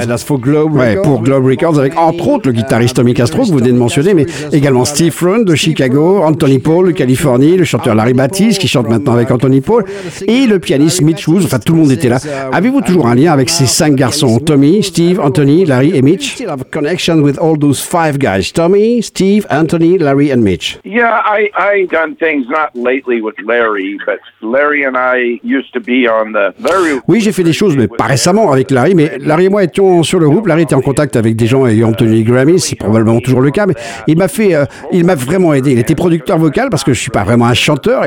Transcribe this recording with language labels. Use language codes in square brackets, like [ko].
[en] Yeah, that's for Globe Records. [fr] Ouais, pour Globe Records, avec entre autres le guitariste Tommy Castro, que vous venez de mentionner, mais également Steve Rund de Chicago, Anthony Paul de Californie, le chanteur Larry Battiste qui chante maintenant avec Anthony Paul, et le pianiste Mitch Woods. Enfin, tout le monde était là. Avez-vous toujours un lien avec ces cinq garçons? Tommy, Steve, Anthony, Larry et Mitch? [en] You still have a connection with all those five guys? Tommy, Steve, Anthony, Larry and Mitch? Yeah, I've done things. [fr] Oui, j'ai fait des choses, mais pas récemment avec Larry. Mais Larry et moi étions sur le groupe. Larry était en contact avec des gens ayant obtenu les Grammys. C'est probablement toujours le cas. Mais il m'a vraiment aidé. Il était producteur vocal parce que je ne suis pas vraiment un chanteur.